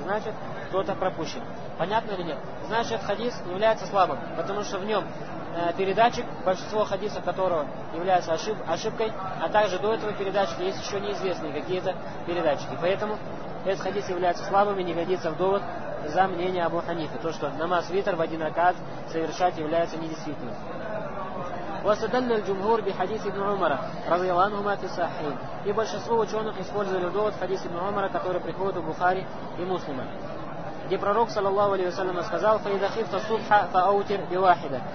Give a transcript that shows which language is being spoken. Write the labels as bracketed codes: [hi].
[ru] Значит, кто-то пропущен. Понятно или нет? Значит, хадис является слабым, потому что в нем передатчик, большинство хадисов которого является ошибкой, а также до этого передатчика есть еще неизвестные какие-то передатчики. Поэтому этот хадис является слабым и не годится в довод за мнение Абу Ханифы. То, что намаз витр в один ракат совершать является недействительным. [ar] واستدل الجمهور بحديث ابن عمر رضي الله عنهما في الصحيحين. [ru] И большинство ученых использовали довод хадис ибн Умара, который приходит у Бухари и Муслима. Где пророк саллаллаху алейхи ва саллям сказал: [ar] "Фаиза хифта субха фаутир бивахида".